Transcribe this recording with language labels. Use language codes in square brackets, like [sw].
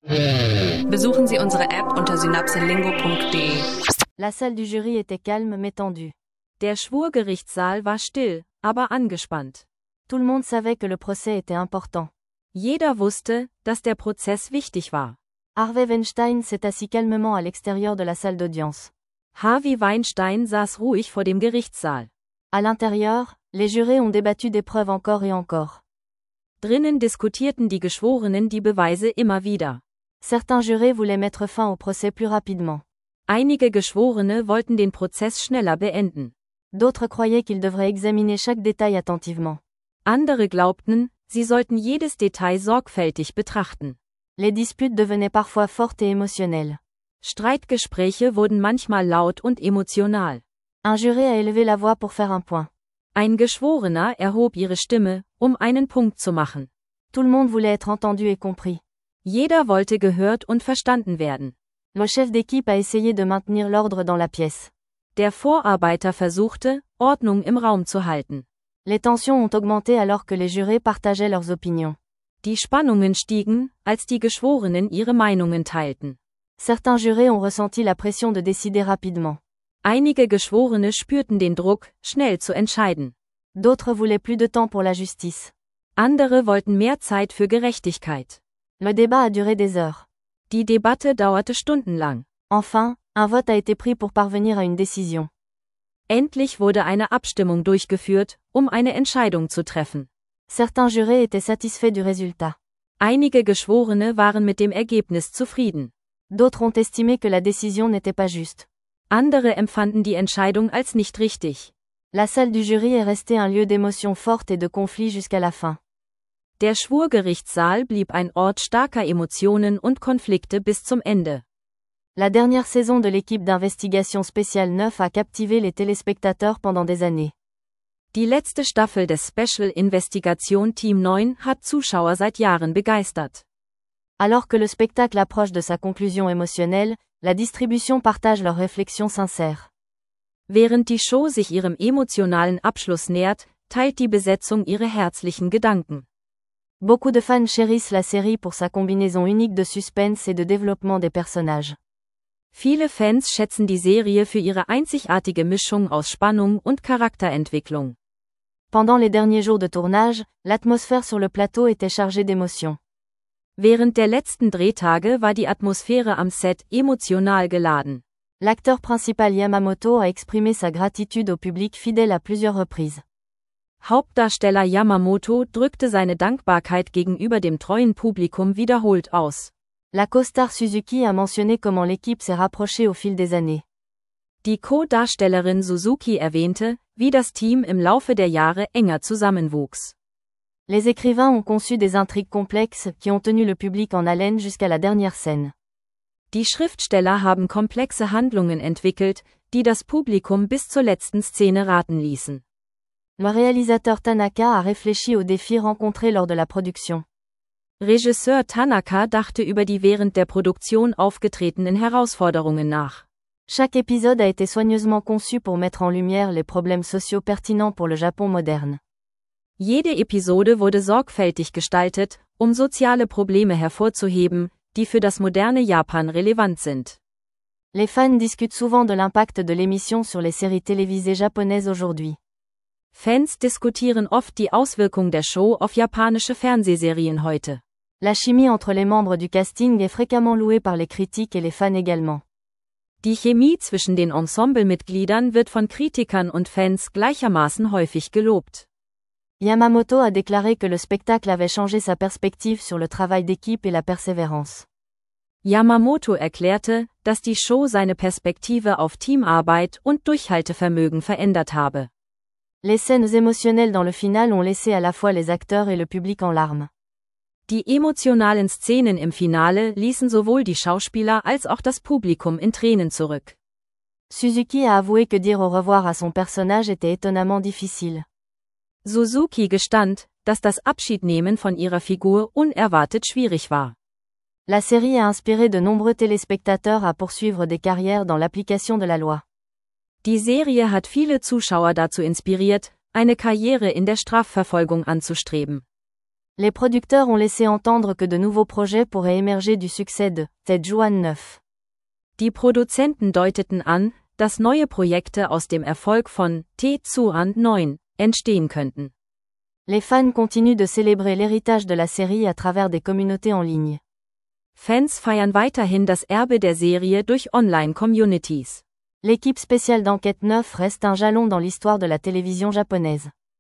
[de] Besuchen Sie unsere App unter synapselingo.de. [fr] La salle du jury était calme mais tendue. [de] Der Schwurgerichtssaal war still, aber angespannt. [fr] Tout le monde savait que le procès était important. [de] Jeder wusste, dass der Prozess wichtig war. [fr] Harvey Weinstein s'est assis calmement à l'extérieur de la salle d'audience. [de] Harvey Weinstein saß ruhig vor dem Gerichtssaal. [fr] À l'intérieur, les jurés ont débattu des preuves encore et encore. [de] Drinnen diskutierten die Geschworenen die Beweise immer wieder. [fr] Certains jurés voulaient mettre fin au procès plus rapidement. [de] Einige Geschworene wollten den Prozess schneller beenden. [fr] D'autres croyaient qu'ils devraient examiner chaque détail attentivement. [de] Andere glaubten, sie sollten jedes Detail sorgfältig betrachten. [fr] Les disputes devenaient parfois fortes et émotionnelles. [de] Streitgespräche wurden manchmal laut und emotional. [fr] Un juré a élevé la voix pour faire un point. [de] Ein Geschworener erhob ihre Stimme, um einen Punkt zu machen. [fr] Tout le monde voulait être entendu et compris. [de] Jeder wollte gehört und verstanden werden. [fr] Le chef d'équipe a essayé de maintenir l'ordre dans la pièce. [de] Der Vorarbeiter versuchte, Ordnung im Raum zu halten. [fr] Les tensions ont augmenté alors que les jurés partageaient leurs opinions. [de] Die Spannungen stiegen, als die Geschworenen ihre Meinungen teilten. [fr] Certains jurés ont ressenti la pression de décider rapidement. [de] Einige Geschworene spürten den Druck, schnell zu entscheiden. [fr] D'autres voulaient plus de temps pour la justice. [de] Andere wollten mehr Zeit für Gerechtigkeit. [fr] Le débat a duré des heures. [de] Die Debatte dauerte stundenlang. [fr] Enfin, un vote a été pris pour parvenir à une décision. [de] Endlich wurde eine Abstimmung durchgeführt, um eine Entscheidung zu treffen. [fr] Certains jurés étaient satisfaits du résultat. [de] Einige Geschworene waren mit dem Ergebnis zufrieden. [fr] D'autres ont estimé que la décision n'était pas juste. [de] Andere empfanden die Entscheidung als nicht richtig. [fr] La salle du jury est restée un lieu d'émotions fortes et de conflits jusqu'à la fin. [de] Der Schwurgerichtssaal blieb ein Ort starker Emotionen und Konflikte bis zum Ende. [fr] La dernière saison de l'équipe d'investigation spéciale 9 a captivé les téléspectateurs pendant des années. [de] Die letzte Staffel des Special Investigation Team 9 hat Zuschauer seit Jahren begeistert. [fr] Alors que le spectacle approche de sa conclusion émotionnelle, la distribution partage leurs réflexions sincères. [de] Während die Show sich ihrem emotionalen Abschluss nähert, teilt die Besetzung ihre herzlichen Gedanken. [fr] Beaucoup de fans chérissent la série pour sa combinaison unique de suspense et de développement des personnages. [de] Viele Fans schätzen die Serie für ihre einzigartige Mischung aus Spannung und Charakterentwicklung. [fr] Pendant les derniers jours de tournage, l'atmosphère sur le plateau était chargée d'émotions. [de] Während der letzten Drehtage war die Atmosphäre am Set emotional geladen. [fr] L'acteur principal Yamamoto a exprimé sa gratitude au public fidèle à plusieurs reprises. [de] Hauptdarsteller Yamamoto drückte seine Dankbarkeit gegenüber dem treuen Publikum wiederholt aus. [fr] La co-star Suzuki a mentionné comment l'équipe s'est rapprochée au fil des années. [de] Die Co-Darstellerin Suzuki erwähnte, wie das Team im Laufe der Jahre enger zusammenwuchs. [fr] Les écrivains ont conçu des intrigues complexes qui ont tenu le public en haleine jusqu'à la dernière scène. [de] Die Schriftsteller haben komplexe Handlungen entwickelt, die das Publikum bis zur letzten Szene raten ließen. [fr] Le réalisateur Tanaka a réfléchi aux défis rencontrés lors de la production. [de] Regisseur Tanaka dachte über die während der Produktion aufgetretenen Herausforderungen nach. [fr] Chaque épisode a été soigneusement conçu pour mettre en lumière les problèmes sociaux pertinents pour le Japon moderne. [de] Jede Episode wurde sorgfältig gestaltet, um soziale Probleme hervorzuheben, die für das moderne Japan relevant sind. [fr] Les fans discutent souvent de l'impact de l'émission sur les séries télévisées japonaises aujourd'hui. [de] Fans diskutieren oft die Auswirkung der Show auf japanische Fernsehserien heute. [fr] La chimie entre les membres du casting est fréquemment louée par les critiques et les fans également. [de] Die Chemie zwischen den Ensemblemitgliedern wird von Kritikern und Fans gleichermaßen häufig gelobt. [fr] Yamamoto a déclaré que le spectacle avait changé sa perspective sur le travail d'équipe et la persévérance. [de] Yamamoto erklärte, dass die Show seine Perspektive auf Teamarbeit und Durchhaltevermögen verändert habe. [fr] Les scènes émotionnelles dans le final ont laissé à la fois les acteurs et le public en larmes. [de] Die emotionalen Szenen im Finale ließen sowohl die Schauspieler als auch das Publikum in Tränen zurück. [fr] Suzuki a avoué que dire au revoir à son personnage était étonnamment difficile. [de] Suzuki gestand, dass das Abschiednehmen von ihrer Figur unerwartet schwierig war. [fr] La série a inspiré de nombreux téléspectateurs à poursuivre des carrières dans l'application de la loi. [de] Die Serie hat viele Zuschauer dazu inspiriert, eine Karriere in der Strafverfolgung anzustreben. [fr] Les producteurs ont laissé entendre que de nouveaux projets pourraient émerger du succès de Tête Juan 9. [de] Die Produzenten deuteten an, dass neue Projekte aus dem Erfolg von Tête Juan 9 entstehen könnten. [fr] Les fans continuent de célébrer l'héritage de la série à travers des communautés en ligne. [de] Fans feiern weiterhin das Erbe der Serie durch Online-Communities. [fr] L'équipe spéciale d'enquête 9 reste un jalon dans l'histoire de la télévision japonaise.